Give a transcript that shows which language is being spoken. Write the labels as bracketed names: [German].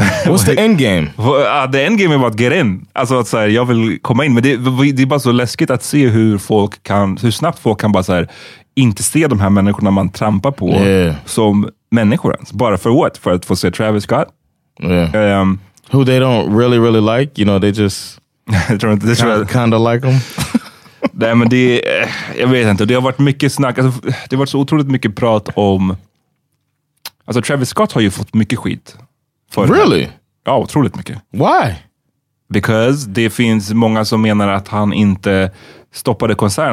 [English] What's the endgame? [Swedish] The endgame är bara att [English] get in. [Swedish] Alltså att så här, jag vill komma in. Men det är bara så läskigt att se hur snabbt folk kan bara så här, inte se de här människorna man trampar på som människor ens. Bara för [English] what? [Swedish] För att få se Travis Scott? Yeah. [English] Who they don't really, really like. You know, they just kind of like them. [Swedish] Nej, men det är... Jag vet inte. Det har varit mycket snack. Alltså, det har varit så otroligt mycket prat om... Alltså, Travis Scott har ju fått mycket skit. För [English] really? [Swedish] Ja, otroligt mycket. [English] Why? Because [Swedish] det finns många som menar att han inte stoppade konserten.